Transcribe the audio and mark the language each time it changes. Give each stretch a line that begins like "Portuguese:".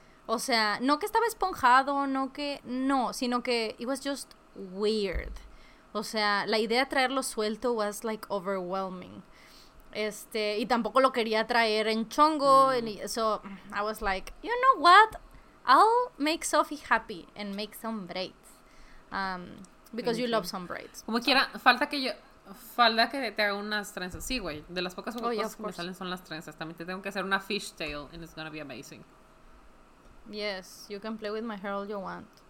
Spanish: O sea, no que estaba esponjado, sino que
English: it was just weird.
Spanish: O sea, la idea de traerlo suelto
English: was, like, overwhelming.
Spanish: Y tampoco lo quería traer en chongo.
English: So, I was like, you know what? I'll make Sophie happy and make some braids. Because you love some braids.
Spanish: Como quiera, falta que te haga unas trenzas. Sí, güey. De las pocas cosas que me salen son las trenzas. También te tengo que hacer una fishtail
English: and it's gonna be amazing. Yes, you can play with my hair all you want.